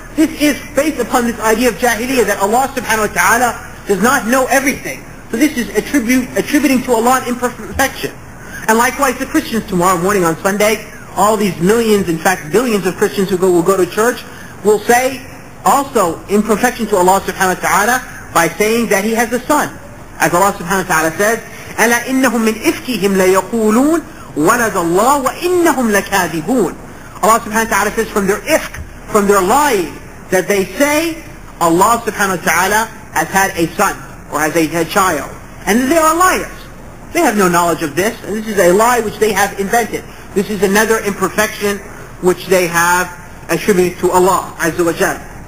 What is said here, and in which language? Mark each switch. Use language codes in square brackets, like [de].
[en] This is based upon this idea of jahiliyyah, that Allah subhanahu wa ta'ala does not know everything. So this is attributing to Allah imperfection. And likewise the Christians tomorrow morning on Sunday, all these millions, in fact billions of Christians who will go to church, will say also imperfection to Allah subhanahu wa ta'ala by saying that He has a son. As Allah subhanahu wa ta'ala says, [ar] أَلَا إِنَّهُم مِّنْ إِفْكِهِمْ لَيَقُولُونَ وَلَدَ اللَّهُ وَإِنَّهُمْ لَكَاذِبُونَ. [en] Allah subhanahu wa ta'ala says from their ifk, from their lying, that they say Allah subhanahu wa ta'ala has had a son or has a child. And they are liars. They have no knowledge of this, and this is a lie which they have invented. This is another imperfection which they have attributed to Allah Azza wa Jal.